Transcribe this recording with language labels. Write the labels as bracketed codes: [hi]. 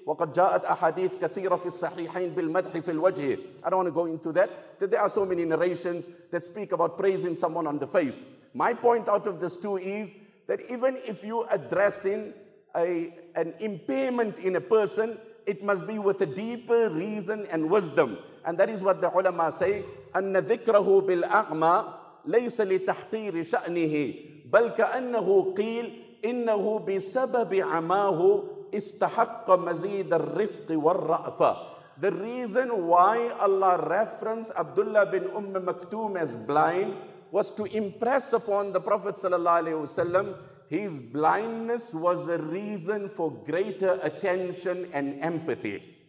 [ar] وَقَدْ جَاءَتْ أَحَادِيثُ كَثِيرَةٌ فِي الصَّحِيحَيْنِ بِالْمَدْحِ فِي الْوَجْهِ. [en] I don't want to go into that. That there are so many narrations that speak about praising someone on the face. My point out of this too is that even if you're addressing an impairment in a person, it must be with a deeper reason and wisdom. And that is what the ulama say, [ar] أَنَّ ذِكْرَهُ بِالْأَعْمَى لَيْسَ لِتَحْقِيرِ شَأْنِهِ بَلْ كَأَنَّهُ قِيلْ إِنَّهُ بِسَبَبِ عَمَاهُ إِسْتَحَقَّ مَزِيدَ الرِّفْقِ وَالرَّأْفَ. [en] The reason why Allah referenced Abdullah bin Umm Maktoum as blind was to impress upon the Prophet ﷺ, his blindness was a reason for greater attention and empathy.